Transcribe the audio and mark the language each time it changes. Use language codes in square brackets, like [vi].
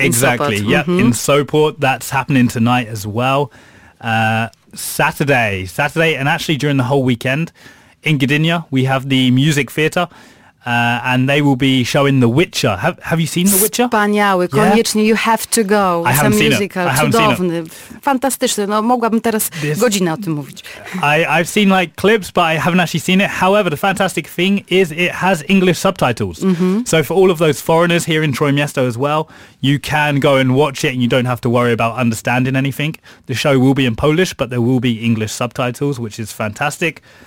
[en] Exactly, in Sopot. Yep. Mm-hmm. In Sopot, that's happening tonight as well. Saturday, and actually during the whole weekend, in Gdynia, we have the Music Theatre. And they will be showing The Witcher. Have you seen The Witcher? [pl] Wspaniały, [en] yeah. [pl] Koniecznie, [en] you have to go. It's a musical, [pl] cudowny, fantastyczny. No, mogłabym teraz godzinę o tym mówić. [en] I've seen like clips, but I haven't actually seen it. However, the fantastic thing is it has English subtitles. Mm-hmm. So for all of those foreigners here in Trojmiesto as well, you can go and watch it and you don't have to worry about understanding anything. The show will be in Polish, but there will be English subtitles, which is fantastic.